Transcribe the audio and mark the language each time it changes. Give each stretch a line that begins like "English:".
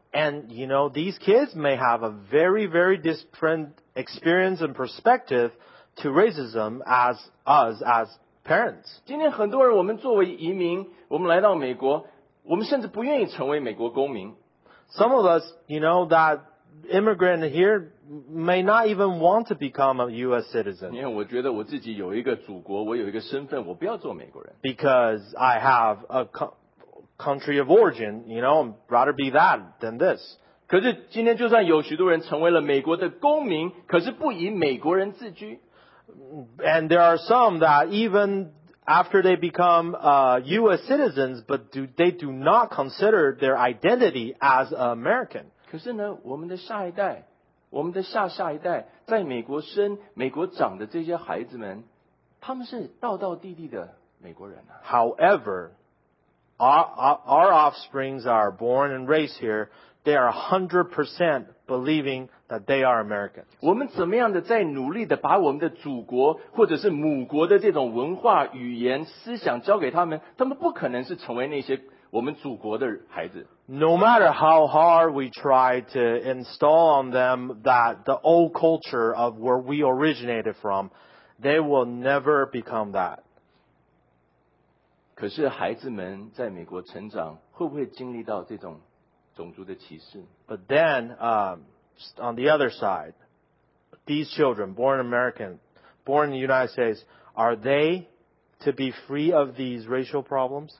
English: And, you know, these kids may have a very, very different experience and perspective to racism as us, as parents.
Chinese: 今天很多人我们作为移民我们来到美国我们甚至不愿意成为美国公民。
English: Some of us, you know, that immigrant here may not even want to become a U.S. citizen.
Chinese: 因为我觉得我自己有一个祖国，我有一个身份，我不要做美国人。
English: Because I have a country of origin, you know, I'd rather be that than this.
Chinese: 可是今天就算有许多人成为了美国的公民，可是不以美国人自居。
English: And there are some that evenAfter they become U.S. citizens, but they do not consider their identity as an American.
Chinese: 可是呢，我们的下一代，我们的下下一代，在美国生、美国长的这些孩子们，他们是道道地地的美国人啊。
English: However, our offsprings are born and raised here, they are 100% believing that they are American.
Chinese: 我们怎么样的在努力地把我们的祖国或者是母国的这种文化语言思想交给他们，他们不可能是成为那些我们祖国的孩子。
English: No matter how hard we try to install on them that the old culture of where we originated from, they will never become that.
Chinese: 可是孩子们在美国成长会不会经历到这种种族的歧视？
English: But then, on the other side, these children born American, born in the United States, are they to be free of these racial problems?